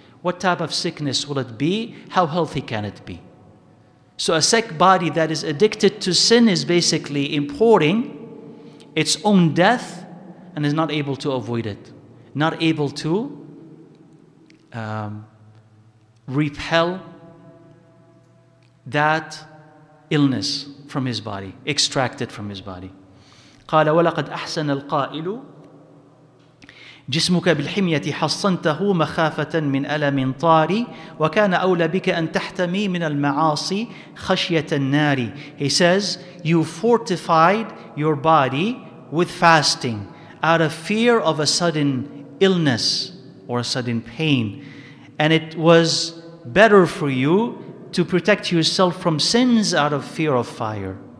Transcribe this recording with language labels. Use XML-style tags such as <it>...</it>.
<en>What type of sickness will it be? How healthy can it be? So a sick body that is addicted to sin is basically importing its own death and is not able to avoid it, not able to repel that illness from his body, extract it from his body.</en> <ar>قَالَ وَلَقَدْ أَحْسَنَ الْقَائِلُ جسمك بالحمية حصنته مخافة من ألم طاري وكان أولى بك أن تحتمي من المعاصي خشية النار.</ar> <en>He says, you fortified your body with fasting out of fear of a sudden illness or a sudden pain. And it was better for you to protect yourself from sins out of fear of fire.</en>